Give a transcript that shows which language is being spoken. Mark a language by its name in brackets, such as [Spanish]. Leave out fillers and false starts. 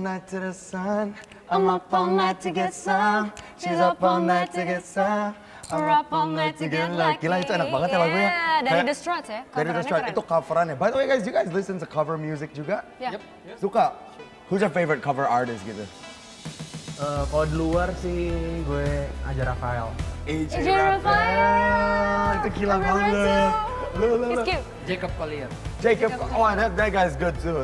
[English] To the sun, I'm up all night to get some. She's up all night to get some. I'm up all night to get lucky. [Indonesian] Gila, itu enak banget ya lagunya. Yeah, dari The Struts ya. Dari The Struts, itu coverannya. [English] By the way guys, you guys listen to cover music juga? Yeah. Yep. Suka? Who's your favorite cover artist gitu? [Indonesian] Kalau di luar sih gue AJ Rafael. AJ Rafael! Itu gila banget. [English] He's cute. Jacob Collier. Jacob, oh that guy's good too.